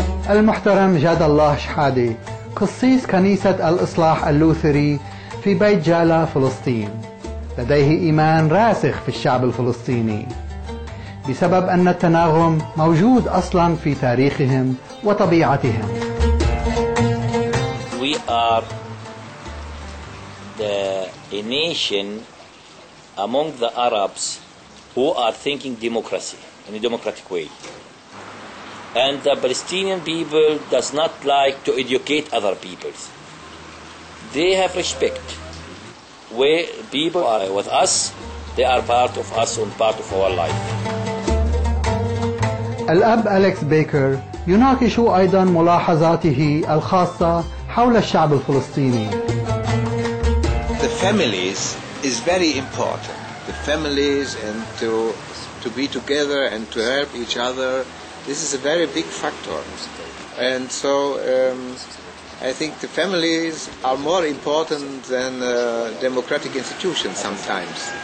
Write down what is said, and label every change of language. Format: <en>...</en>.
<ar>المحترم جاد الله شحادي قسيس كنيسة الإصلاح اللوثري في بيت جالا فلسطين، لديه إيمان راسخ في الشعب الفلسطيني بسبب أن التناغم موجود أصلا في تاريخهم وطبيعتهم.</ar> <en>We are the nation among the Arabs who are thinking democracy in a democratic way, and the Palestinian people does not like to educate other peoples. They have respect. Where people are with us, they are part of us and part of our life.</en> <ar>الأب أليكس بيكر يناقش أيضا ملاحظاته الخاصة حول الشعب الفلسطيني.</ar> <en>The families is very important. The families and to be together and to help each other. This is a very big factor. And so I think the families are more important than democratic institutions sometimes.</en>